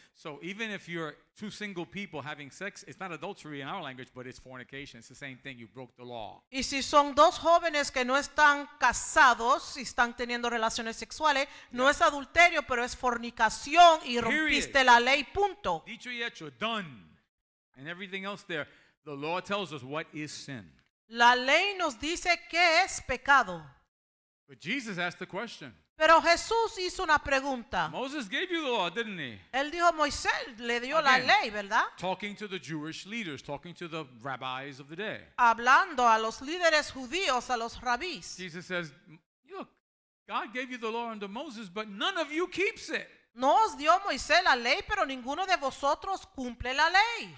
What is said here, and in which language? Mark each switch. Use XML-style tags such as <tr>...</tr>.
<en>So even if you're two single people having sex, it's not adultery in our language, but it's fornication. It's the same thing. You broke the law.</en> <es>Y si son dos jóvenes que no están casados y están teniendo relaciones sexuales, no es adulterio, pero es fornicación y rompiste</es> <en>Period.</en> <es>La ley. Punto. Dicho y hecho, done.</es> <en>And everything else there, the law tells us what is sin.</en> <es>La ley nos dice qué es pecado.</es> <en>But Jesus asked the question.</en> <es>Pero Jesús hizo una pregunta.</es> <en>Moses gave you the law, didn't he?</en> <es>Él dijo, Moisés le dio la ley, ¿verdad?</es> <en>Talking to the Jewish leaders, talking to the rabbis of the day.</en> <es>Hablando a los líderes judíos, a los rabis.</es> <en>Jesus says, look, God gave you the law under Moses, but none of you keeps it.</en> <es>No os dio Moisés la ley, pero ninguno de vosotros cumple la ley.</es>